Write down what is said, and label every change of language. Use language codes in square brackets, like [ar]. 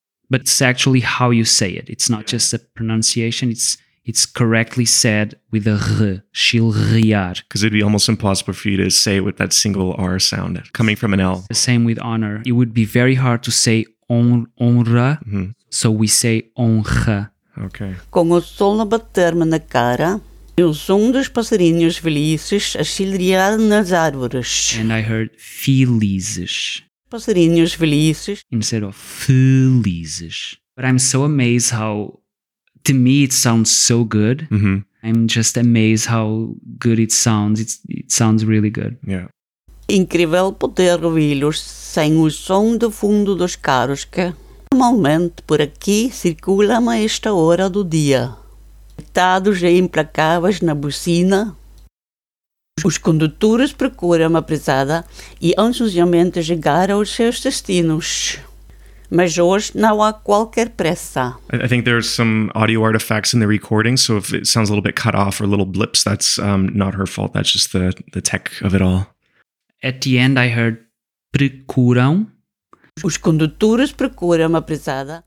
[en] But it's actually how you say it. It's not just a pronunciation. It's correctly said with a r. She'll riar. Because it'd be almost impossible for you to say it with that single R sound coming from an L. The same with honor. It would be very hard to say honra. Mm-hmm. So we say honra. Okay. [pt] Com o sol a bater-me na cara, e o som dos passarinhos felizes a chilrear nas árvores. [en] And I heard felizes. [pt] Passarinhos felizes. [en] Instead of felizes. But I'm so amazed how, to me, it sounds so good. Mm-hmm. I'm just amazed how good it sounds. It sounds really good. Yeah. [pt] Incrível poder ouvi-los sem o som do fundo dos carros que normalmente por aqui circulam a esta hora do dia. Deitados e implacáveis na bucina, os condutores procuram a prisada e ansiosamente chegar aos seus destinos. Mas hoje não há qualquer pressa. [en] I think there's some audio artifacts in the recording, so if it sounds a little bit cut off or little blips, that's not her fault. That's just the tech of it all. At the end, I heard procuram. [pt] Os condutores procuram a prisada.